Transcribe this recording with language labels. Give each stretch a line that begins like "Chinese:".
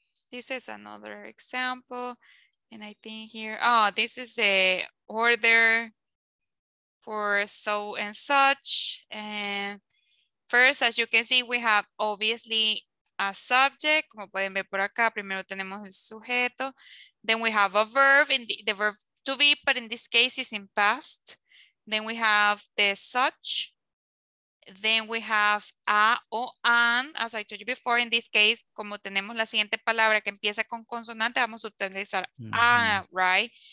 English: This is another example. And I think here, oh, this is a order for so and such. And first, as you can see, we have obviously a subject.
Spanish: Como pueden ver por acá, primero tenemos el sujeto.
English: Then we have a verb, in the verb to be, but in this case it's in past. Then we have the such, Then we have a o an, as I told you before, in this case,
Spanish: como tenemos la siguiente palabra que empieza con consonante, vamos a utilizar
English: mm-hmm. a, right?